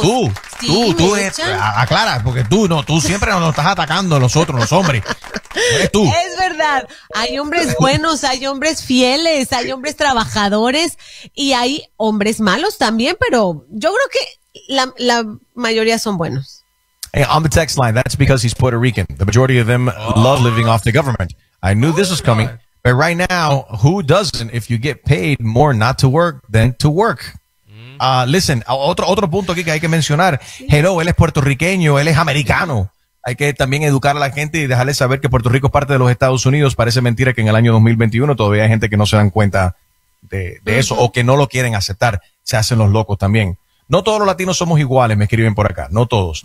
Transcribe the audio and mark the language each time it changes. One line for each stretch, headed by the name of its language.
Spanish: Tú, aclara, porque tú siempre nos estás atacando a nosotros, los hombres. Eres tú. Es verdad. Hay hombres buenos, hay hombres fieles, hay hombres trabajadores y hay hombres malos también, pero yo creo que la mayoría son buenos.
English: Hey, on the text line, that's because he's Puerto Rican. The majority of them love living off the government. I knew this was coming, but right now, who doesn't if you get paid more not to work than to work? Listen,
Spanish: otro punto aquí que hay que mencionar.
English: Hello,
Spanish: él es puertorriqueño, él es americano. Hay que también educar a la gente y dejarles saber que Puerto Rico es parte de los Estados Unidos. Parece mentira que en el año 2021 todavía hay gente que no se dan cuenta de eso o que no lo quieren aceptar. Se hacen los locos también. No todos los latinos somos iguales, me escriben por acá. No todos.